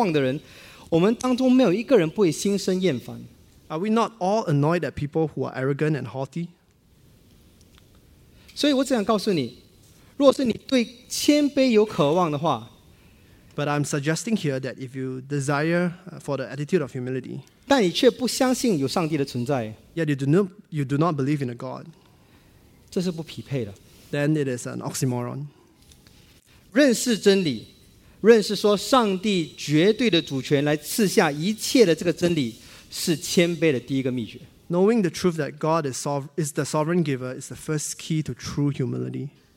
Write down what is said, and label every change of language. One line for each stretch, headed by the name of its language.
Chinese: 因为我相信在座的每一个人，要是你面对一个狂妄的人，对不对？高狂妄的人，我们当中没有一个人不会心生厌烦。
English: Are we not all annoyed at people who are arrogant and haughty?
Chinese: 所以我只想告诉你，若是你对谦卑有渴望的话。
English: But I'm suggesting here that if you desire for the attitude of humility,
Chinese: 但你却不相信有上帝的存在,
English: yet you do not believe in a God,
Chinese: 这是不匹配的,
English: then it is an oxymoron.
Chinese: 认识真理, 认识说上帝绝对的主权来赐下一切的这个真理, 是谦卑的第一个秘诀。
English: Knowing the truth that God is the sovereign giver is the first key to true humility.